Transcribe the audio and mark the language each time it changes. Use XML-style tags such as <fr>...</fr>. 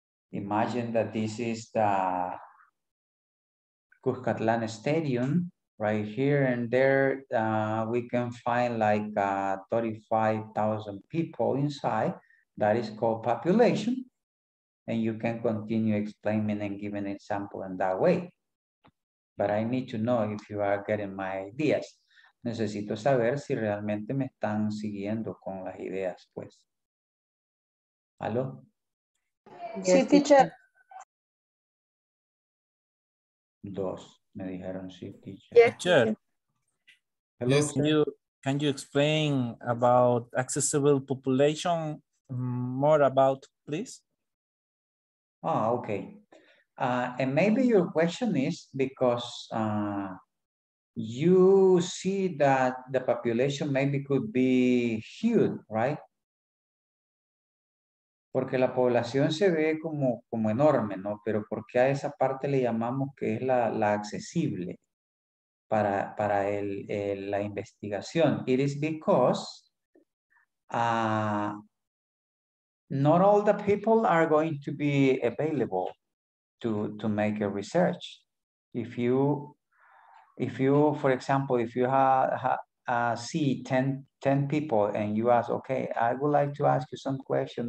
<en>Imagine that this is the Cuscatlan Stadium right here, and there we can find like 35,000 people inside. That is called population. and you can continue explaining and giving an example in that way. But I need to know if you are getting my ideas.</en> <es>Necesito saber si realmente me están siguiendo con las ideas, pues. ¿Aló? Sí, teacher. Dos, me dijeron, sí, teacher.</es> <en>Yes, teacher. Hello, yes, can you explain about accessible population more about, please? Oh, okay. And maybe your question is because you see that the population maybe could be huge, right?</en> <es>Porque la población se ve como enorme, ¿no? Pero ¿por qué a esa parte le llamamos que es la accesible para la investigación?</es> <en>It is because not all the people are going to be available to make a research. If you, for example, if you see 10 people and you ask, okay, I would like to ask you some question.</en>